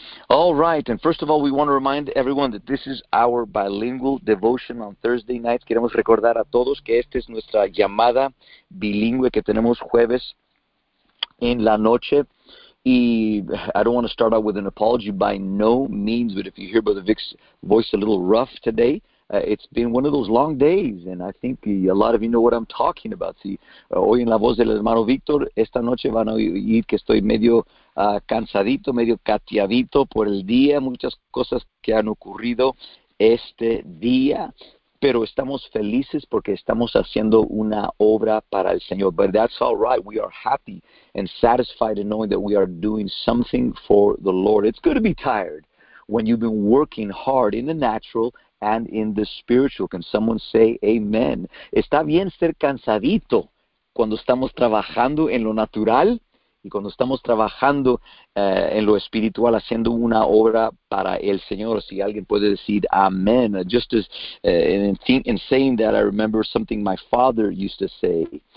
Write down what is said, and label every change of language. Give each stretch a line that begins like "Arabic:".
English: All right, and first of all, we want to remind everyone that this is our bilingual devotion on Thursday nights.
Spanish: Queremos recordar a todos que esta es nuestra llamada bilingüe que tenemos jueves en la noche.
English: Y I don't want to start out with an apology by no means, but if you hear Brother Vic's voice a little rough today, it's been one of those long days, and I think a lot of you know what I'm talking about.
Spanish: Si hoy en la voz del hermano Víctor, esta noche van a oír que estoy medio cansadito, medio cateadito por el día, muchas cosas que han ocurrido este día, pero estamos felices porque estamos haciendo una obra para el Señor.
English: But that's all right. We are happy and satisfied in knowing that we are doing something for the Lord. It's good to be tired when you've been working hard in the natural and in the spiritual. Can someone say amen?
Spanish: Está bien ser cansadito cuando estamos trabajando en lo natural y cuando estamos trabajando en lo espiritual, haciendo una obra para el Señor. Si alguien puede decir amen.
English: Just as in saying that, I remember something my father used to say.